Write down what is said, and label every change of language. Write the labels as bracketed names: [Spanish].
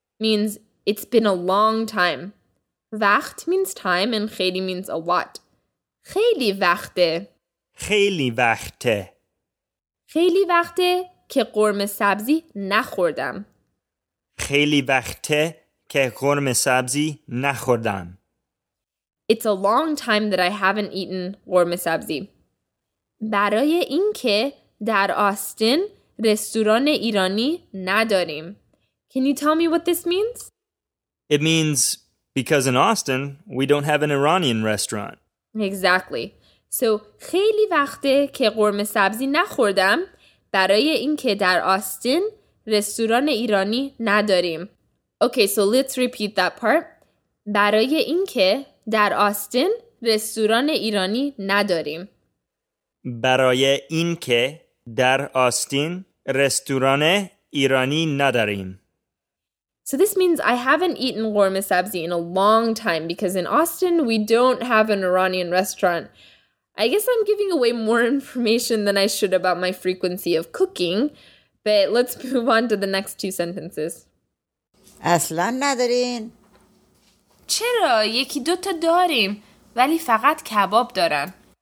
[English] Means it's been a long time. وقت means time and خیلی means a lot. [Persian] خیلی وقته. خیلی وقته. خیلی وقته که قرم سبزی نخوردم. خیلی وقته که قرم سبزی نخوردم. [English] It's a long time that I haven't eaten قرم سبزی. [Persian] برای اینکه در آستین رستوران ایرانی نداریم. [English] Can you tell me what this means? It means because in Austin we don't have an Iranian restaurant. Exactly. [Persian] So, خیلی وقته که قرمه سبزی نخوردم برای اینکه در آستین رستوران ایرانی نداریم. [English] Okay, so let's repeat that part. [Persian] برای اینکه در آستین رستوران ایرانی نداریم. برای اینکه در آستین رستوران ایرانی نداریم. [English] So this means I haven't eaten qorme sabzi in a long time because in Austin we don't have an Iranian restaurant. I guess I'm giving away more information than I should about my frequency of cooking, but let's move on to the next two sentences. [Persian] اصلا ندارین؟ چرا؟ یکی دوتا داریم ولی فقط کباب دارن.